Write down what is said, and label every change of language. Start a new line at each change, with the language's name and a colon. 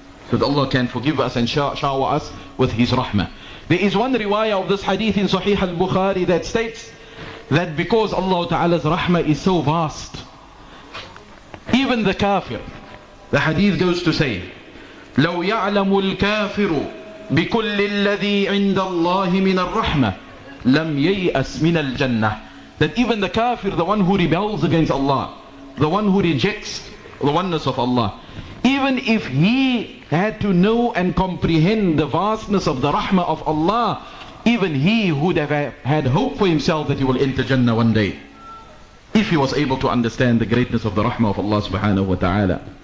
English: So that Allah can forgive us and shower us with His rahmah. There is one riwayat of this hadith in Sahih al-Bukhari that states that because Allah Ta'ala's rahmah is so vast, even the kafir, the hadith goes to say,
Arabic: لَوْ يَعْلَمُ الْكَافِرُ بكل الذي عند الله من الرحمة لم ييأس من الجنة.
English: That even the kafir, the one who rebels against Allah, the one who rejects the oneness of Allah, even if he had to know and comprehend the vastness of the rahmah of Allah, even he would have had hope for himself that he will enter Jannah one day, if he was able to understand the greatness of the rahmah of Allah subhanahu wa ta'ala.